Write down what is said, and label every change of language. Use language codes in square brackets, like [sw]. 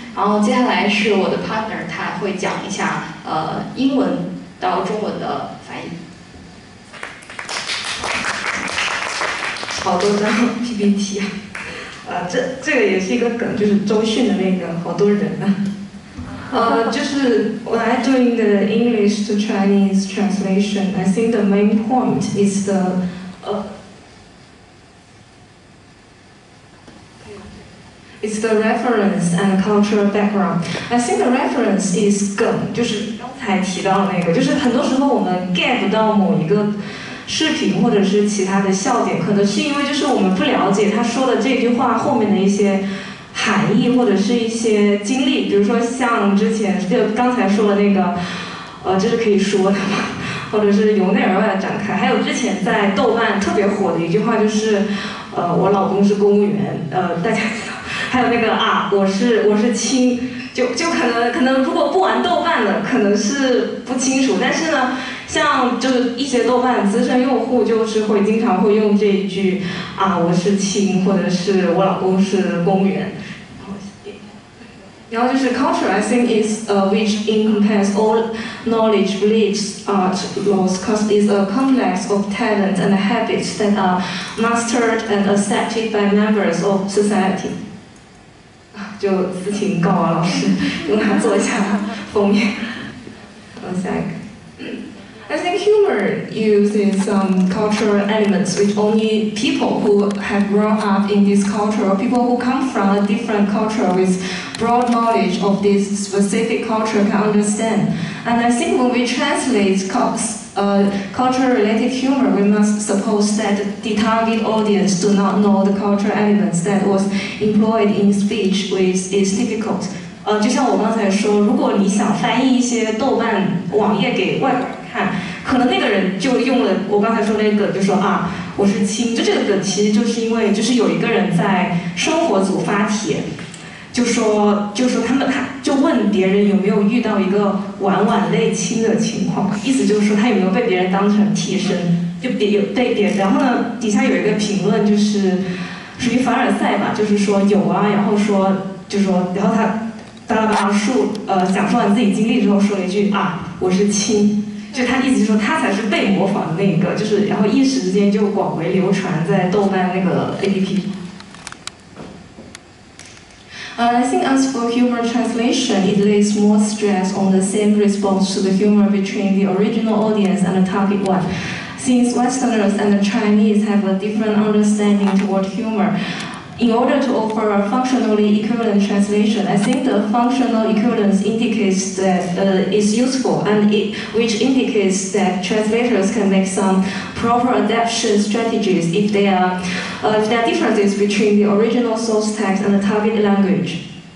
[zh] 然后接下来是我的 partner， 他会讲一下英文到中文的翻译。好多张 PPT 啊，这个也是一个梗，就是周迅的那个好多人啊。就是 [en] when I'm doing the English to Chinese translation， I think the main point is the It's the reference and cultural background. I think the reference is [zh] 梗，就是刚才提到那个，就是很多时候我们 get 不到某一个视频或者是其他的笑点，可能是因为就是我们不了解他说的这句话后面的一些含义或者是一些经历，比如说像之前就刚才说的那个，这是可以说的吗？或者是由内而外的展开，还有之前在豆瓣特别火的一句话，就是我老公是公务员，大家。还有那个啊，我是亲，就可能如果不玩豆瓣的可能是不清楚，但是呢像就是一些豆瓣资深用户就是会经常会用这一句啊，我是亲，或者是我老公是公务员。然后就是 [en] culture I think is which encompasses all knowledge, beliefs, art, laws, cause is a complex of talents and habits that are mastered and accepted by members of society。 [zh] 就私情告啊，老师用它做一下封面。 [en] I think humor uses some cultural elements which only people who have grown up in this culture, people who come from a different culture with broad knowledge of this specific culture can understand. And I think when we translate culture related humor, we must suppose that the target audience do not know the cultural elements that was employed in speech which is difficult. [zh] 就像我刚才说，如果你想翻译一些豆瓣网页给外国人看，可能那个人就用了我刚才说那个，就说啊，我是亲，就这个梗其实就是因为就是有一个人在生活组发帖，就说他就问别人有没有遇到一个婉婉类亲的情况，意思就是说他有没有被别人当成替身，就别，然后呢底下有一个评论就是属于凡尔赛吧，就是说有啊，然后说就说，然后他巴拉巴拉述讲述完自己经历之后说了一句啊，我是亲，就他意思就是说他才是被模仿的那个，就是然后一时之间就广为流传在豆瓣那个 APP。 [en] I think as for humor translation, it lays more stress on the same response to the humor between the original audience and the target one. Since Westerners and the Chinese have a different understanding toward humor, in order to offer a functionally equivalent translation, I think the functional equivalence indicates that it's useful, and which indicates that translators can make some proper adaption strategies if there are, if there are differences between the original source text and the target language.